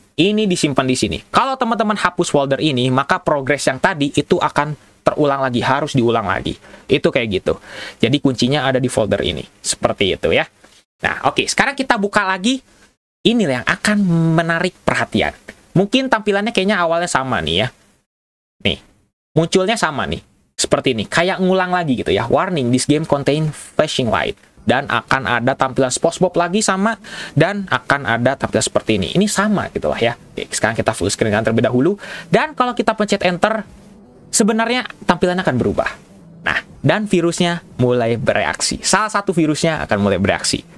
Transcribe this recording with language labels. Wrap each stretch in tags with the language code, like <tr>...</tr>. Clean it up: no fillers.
<id>Ini disimpan di sini. Kalau teman-teman hapus folder ini, maka progres yang tadi itu akan terulang lagi, harus diulang lagi. Itu kayak gitu. Jadi kuncinya ada di folder ini. Seperti itu ya. Nah, oke. Sekarang kita buka lagi. Ini yang akan menarik perhatian. Mungkin tampilannya kayaknya awalnya sama nih ya. Nih, munculnya sama nih. Seperti ini. Kayak ngulang lagi gitu ya.</id> <en>Warning, this game contain flashing light.</en> <id>Dan akan ada tampilan SpongeBob lagi sama, dan akan ada tampilan seperti ini. Ini sama gitu lah ya. Oke, sekarang kita full screen kan terlebih dahulu. Dan kalau kita pencet enter, sebenarnya tampilannya akan berubah. Nah, dan virusnya mulai bereaksi. Salah satu virusnya akan mulai bereaksi.</id>